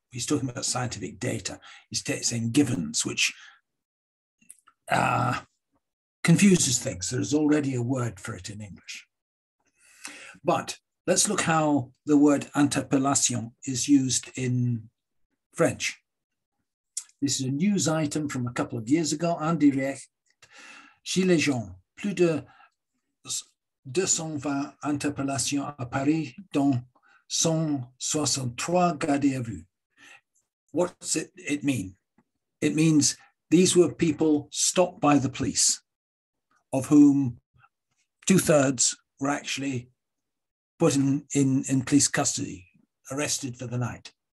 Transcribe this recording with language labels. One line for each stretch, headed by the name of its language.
English: He's talking about scientific data. He's saying givens, which confuses things. There's already a word for it in English. But let's look how the word interpellation is used in French. This is a news item from a couple of years ago,
French: en direct, chez les gens, plus de 220 interpellations à Paris, dont 163 gardés à vue.
English: What's it mean? It means these were people stopped by the police, of whom 2/3 were actually put in police custody, arrested for the night.